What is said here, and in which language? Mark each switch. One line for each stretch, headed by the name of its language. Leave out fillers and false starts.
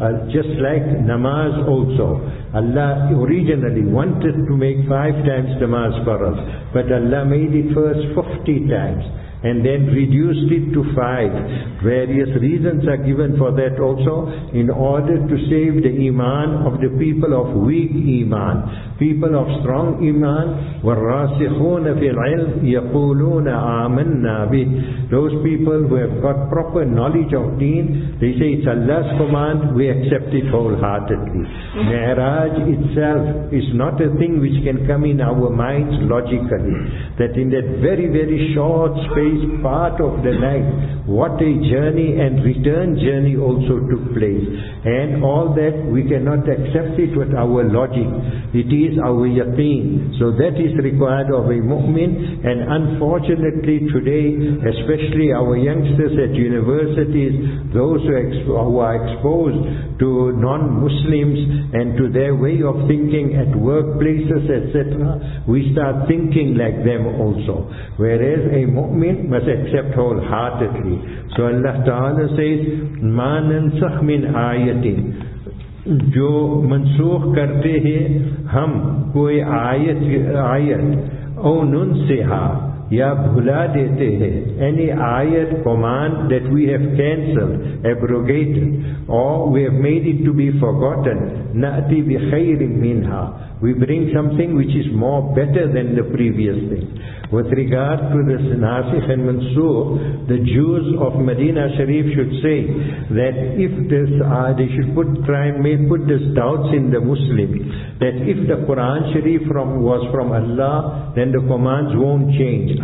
English: Just like namaz also. Allah originally wanted to make 5 times namaz for us, but Allah made it first 50 times. And then reduced it to 5. Various reasons are given for that also, in order to save the iman of the people of weak iman. People of strong iman,
Arabic: وَالرَّاسِخُونَ فِي الْعِلْمِ يَقُولُونَ آمَنَّا بِهِ.
English: Those people who have got proper knowledge of deen, they say it's Allah's command, we accept it wholeheartedly. Mi'raj itself is not a thing which can come in our minds logically. That in that very, very short space, part of the night, what a journey and return journey also took place. And all that, we cannot accept it with our logic. It is our yaqeen. So that is required of a mu'min. And unfortunately today, especially our youngsters at universities, those who are exposed to non-Muslims and to their way of thinking at workplaces, etc., we start thinking like them also. Whereas a mu'min must accept wholeheartedly. So Allah Ta'ala says,
Arabic: مَا نَنْسَخْ مِنْ آيَةٍ.
Urdu: جو منسوخ کرتے ہیں ہم کوئی آیت او ننسحا یا بھلا دیتے ہیں,
English: any آیت command that we have cancelled, abrogated, or we have made it to be forgotten,
Arabic: نَأْتِ بِخَيْرٍ مِنْهَا.
English: We bring something which is more better than the previous thing. With regard to the Nasikh and Mansur, the Jews of Medina Sharif should say that if this, they should put this doubts in the Muslim, that if the Quran Sharif was from Allah, then the commands won't change.